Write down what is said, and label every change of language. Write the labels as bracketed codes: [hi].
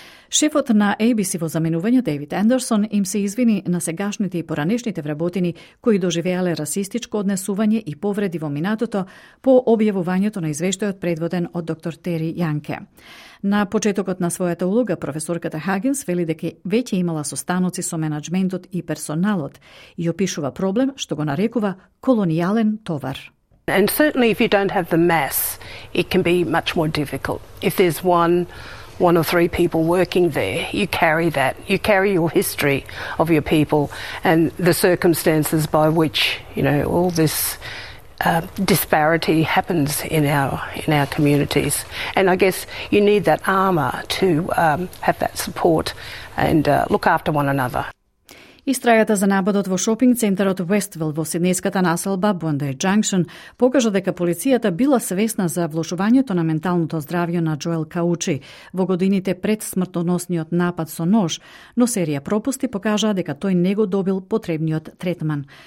[mk] Шефот на ABC во заменување Дејвид Андерсон им се извини на сегашните и поранешните вработени кои доживеале расистичко однесување и повреди во минатото по објавувањето на извештајот предводен од доктор Тери Јанке. На почетокот на својата улога, професорката Хагинс вели дека веќе имала состаноци со менеджментот и персоналот и опишува проблем што го нарекува колонијален товар. [en] And certainly if you don't have the mass, it can be much more difficult. If there's one or three people working there, you carry that. You carry your history of your people and the circumstances by which, you know, all this disparity happens in our communities. And I guess you need that armour to have that support and look after one another. [mk] Истрагата за нападот во шопинг центарот Вествил во Сиднејската населба Бондај Джанкшн покажа дека полицијата била свесна за влошувањето на менталното здравје на Джоел Каучи во годините пред смртоносниот напад со нож, но серија пропусти покажа дека тој не го добил потребниот третман.